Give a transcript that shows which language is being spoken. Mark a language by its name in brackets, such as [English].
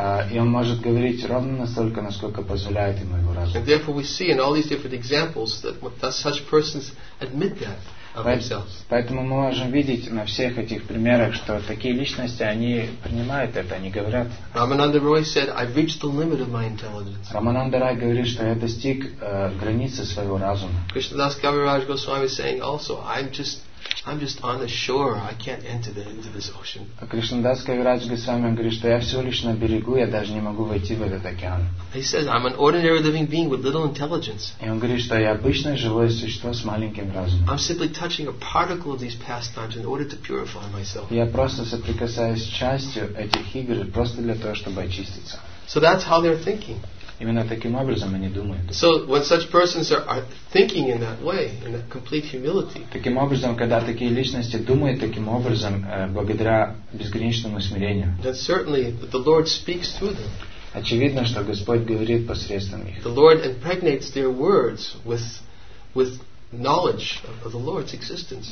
[Russian] И он может говорить ровно настолько, насколько позволяет ему его разум. [English] And therefore we see in all these different examples that such persons admit that. [Russian] Поэтому мы можем видеть на всех этих примерах, что такие личности, они принимают это, они говорят. [English] Рамананда Рой said, I've reached the limit of my intelligence. [Russian] Рамананда Рой говорит, что я достиг границы своего разума. [English] Кришнадас Кавираджа Госвами saying also, I'm just on the shore, I can't enter into this ocean. [Russian] А Кришнадас Кавираджа Госвами говорит, что я всего лишь на берегу, я даже не могу войти в этот океан. [English] He says, I'm an ordinary living being with little intelligence. [Russian] И он говорит, что я обычное живое существо с маленьким разумом. [English] I'm simply touching a particle of these pastimes in order to purify myself. [Russian] Я просто соприкасаюсь с частью этих игр просто для того, чтобы очиститься. [English] So that's how they're thinking. [Russian] Именно таким образом они думают. [English] So when such persons are thinking in that way, in that complete humility. [Russian] Таким образом, когда такие личности думают таким образом, благодаря безграничному смирению. [English] Then certainly the Lord speaks through them. [Russian] Очевидно, что Господь говорит посредством них. [English] The Lord impregnates their words with knowledge of the Lord's existence.